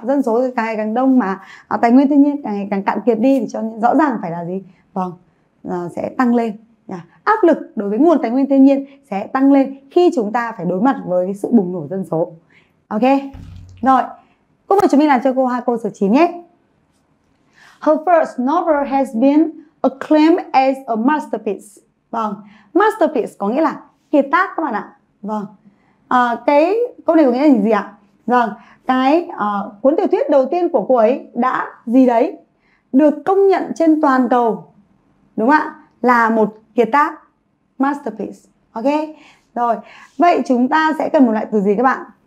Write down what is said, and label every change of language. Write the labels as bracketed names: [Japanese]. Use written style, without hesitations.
[Vietnamese] Dân số càng ngày càng đông mà tài nguyên thiên nhiên càng ngày càng cạn kiệt đi thì cho nên rõ ràng phải là gì? Vâng, sẽ tăng lên. Áp lực đối với nguồn tài nguyên thiên nhiên sẽ tăng lên khi chúng ta phải đối mặt với sự bùng nổ dân số. Ok. Rồi, cô mời chúng mình làm cho cô hai câu số 9 nhé. [English] Her first novel has been acclaimed as a masterpiece. [Vietnamese] Vâng, masterpiece có nghĩa là kiệt tác các bạn ạ. Vâng. Cái câu này có nghĩa là gì ạ? Vâng, cái cuốn tiểu thuyết đầu tiên của cô ấy đã gì đấy được công nhận trên toàn cầu, đúng không ạ? Là một kiệt tác, masterpiece. Ok. Rồi, vậy chúng ta sẽ cần một loại từ gì các bạn?